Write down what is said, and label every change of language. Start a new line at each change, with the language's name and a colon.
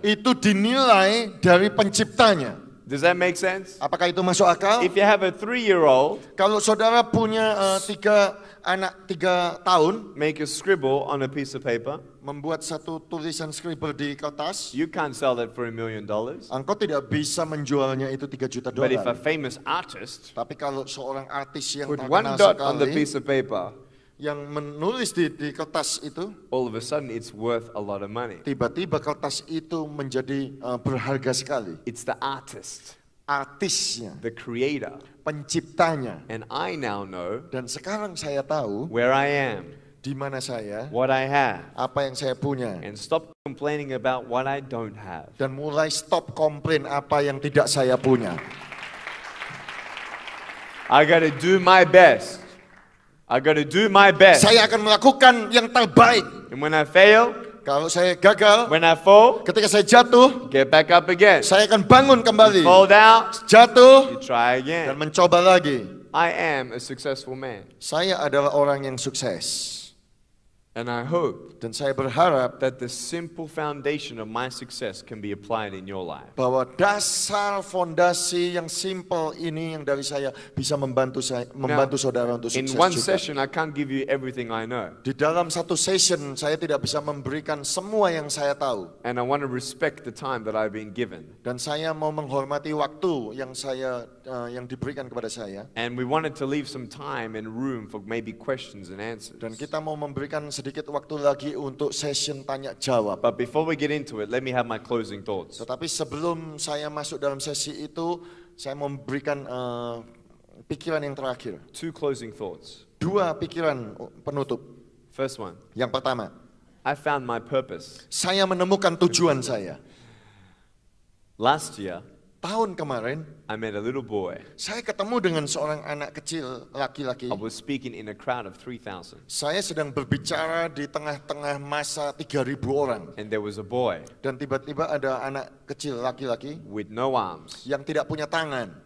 Indonesian: Itu dinilai dari penciptanya.
English: Does that make sense?
Indonesian: Apakah itu masuk akal?
English: If you have a 3-year-old,
Indonesian: kalau saudara punya tiga anak 3 tahun,
English: make a scribble on a piece of paper,
Indonesian: membuat satu tulisan scribble di kertas,
English: you can't sell that for $1 million.
Indonesian: Engkau tidak bisa menjualnya itu 3 juta dolar.
English: But if a famous artist,
Indonesian: tapi kalau seorang artis yang
English: put one dot on the piece of paper,
Indonesian: yang menulis di kertas itu,
English: all of a sudden it's worth a lot of money.
Indonesian: Tiba-tiba kertas itu menjadi berharga sekali.
English: It's the artist.
Indonesian: Artisnya.
English: The creator.
Indonesian: Penciptanya.
English: And I now know.
Indonesian: Dan sekarang saya tahu.
English: Where I am.
Indonesian: Di mana saya.
English: What I have.
Indonesian: Apa yang saya punya.
English: And stop complaining about what I don't have.
Indonesian: Dan mulai stop komplain apa yang tidak saya punya.
English: I gotta do my best. I got to do my best.
Indonesian: Saya akan melakukan yang terbaik.
English: And when I fail,
Indonesian: kalau saya gagal,
English: when I fall,
Indonesian: ketika saya jatuh,
English: get back up again.
Indonesian: Saya akan bangun kembali.
English: You fall down,
Indonesian: jatuh,
English: you try again.
Indonesian: Dan mencoba lagi.
English: I am a successful man.
Indonesian: Saya adalah orang yang sukses.
English: And I hope,
Indonesian: dan saya berharap,
English: that the simple foundation of my success can be applied in your life.
Indonesian: Bahwa dasar fondasi yang simple ini yang dari saya bisa membantu saya, membantu
English: now,
Indonesian: saudara untuk sukses.
English: In one
Indonesian: juga.
English: Session, I can't give you everything I know.
Indonesian: Di dalam satu session, saya tidak bisa memberikan semua yang saya tahu.
English: And I want to respect the time that I've been given.
Indonesian: Dan saya mau menghormati waktu yang saya yang diberikan kepada saya.
English: And we wanted to leave some time and room for maybe questions and answers.
Indonesian: Dan kita mau memberikan sedikit waktu lagi untuk session tanya jawab.
English: But before we get into it, let me have my closing thoughts.
Indonesian: Tetapi sebelum saya masuk dalam sesi itu, saya mau memberikan pikiran yang terakhir.
English: Two closing thoughts.
Indonesian: Dua pikiran penutup.
English: First one.
Indonesian: Yang pertama.
English: I found my purpose.
Indonesian: Saya menemukan tujuan saya.
English: Last year,
Indonesian: tahun kemarin,
English: I met a little boy.
Indonesian: Saya ketemu dengan seorang anak kecil laki-laki.
English: I was speaking in a crowd of 3,000.
Indonesian: Saya sedang berbicara di tengah-tengah massa 3,000 orang.
English: And there was a boy.
Indonesian: Dan tiba-tiba ada anak kecil laki-laki.
English: With no arms.
Indonesian: Yang tidak punya tangan.